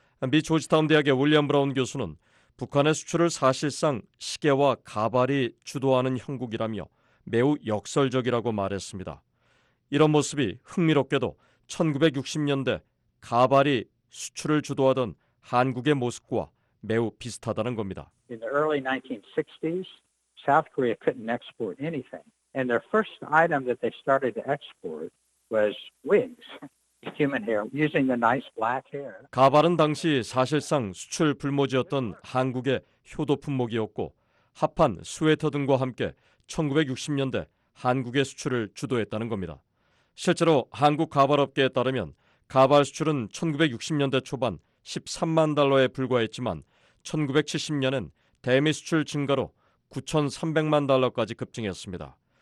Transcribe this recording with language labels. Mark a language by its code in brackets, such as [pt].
[ko] 미 조지타운 대학의 윌리엄 브라운 교수는 북한의 수출을 사실상 시계와 가발이 주도하는 형국이라며 매우 역설적이라고 말했습니다. 이런 모습이 흥미롭게도 1960년대 가발이 수출을 주도하던 한국의 모습과 매우 비슷하다는 겁니다. [en] In the early 1960s, South Korea couldn't export anything. And their first item that they started to export was wigs. Human hair, using the nice black hair. [ko] 가발은 당시 사실상 수출 불모지였던 한국의 효도 품목이었고 합판, 스웨터 등과 함께 1960년대 한국의 수출을 주도했다는 겁니다. 실제로 한국 가발 업계에 따르면 가발 수출은 1960년대 초반 13만 달러에 불과했지만 1970년엔 대미 수출 증가로 9,300만 달러까지 급증했습니다.